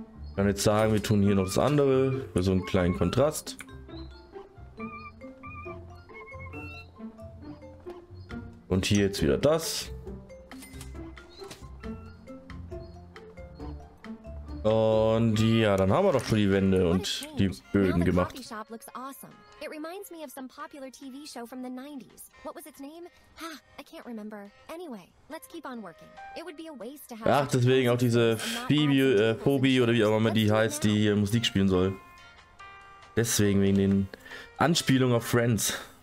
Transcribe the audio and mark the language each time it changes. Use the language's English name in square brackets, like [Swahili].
[German] Ich kann jetzt sagen, wir tun hier noch das andere. Für so einen kleinen Kontrast. Und hier jetzt wieder das. Und ja, dann haben wir doch schon die Wände und die Böden gemacht. [English] It reminds me of some popular TV show from the 90s. What was its name? Ha, I can't remember. Anyway, let's keep on working. It would be a waste to have. [German] Ach, deswegen auch diese Phoebe, Phoebe oder wie auch immer die heißt, die hier Musik spielen soll. Deswegen wegen den Anspielungen auf Friends.